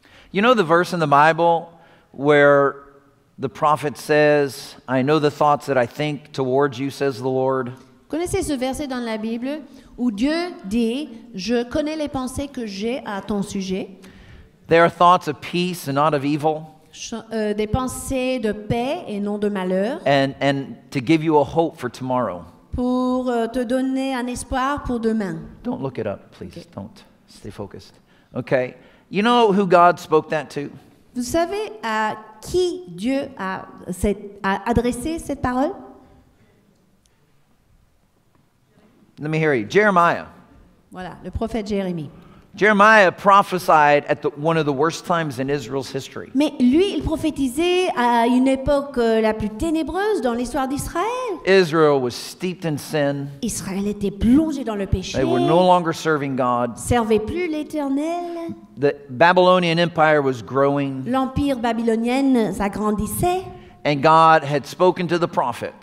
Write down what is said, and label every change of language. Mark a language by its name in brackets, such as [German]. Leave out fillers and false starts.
[English] You know the verse in the Bible where the prophet says, I know the thoughts that I think towards you, says the Lord. [French] Connaissez ce verset dans la Bible où Dieu dit, je connais les pensées que j'ai à ton sujet. [English] There are thoughts of peace and not of evil. [French] Des pensées de paix et non de malheur. [English] And to give you a hope for tomorrow. [French] Pour te donner un espoir pour demain. [English] Don't look it up, please. Okay. Don't. Stay focused. Okay. You know who God spoke that to? [French] Vous savez à qui Dieu a adressé cette parole? [English] Let me hear you. Jeremiah. [French] Voilà, le prophète Jérémie. [English] Jeremiah prophesied at one of the worst times in Israel's history. [French] Mais lui, il prophétisait à une époque la plus ténébreuse dans l'histoire d'Israël. [English] Israel was steeped in sin. [French] Israël était plongé dans le péché. [English] They were no longer serving God. [French] Servait plus l'Éternel. [English] The Babylonian Empire was growing. [French] L'empire babylonien s'agrandissait. [English] And God had spoken to the prophet.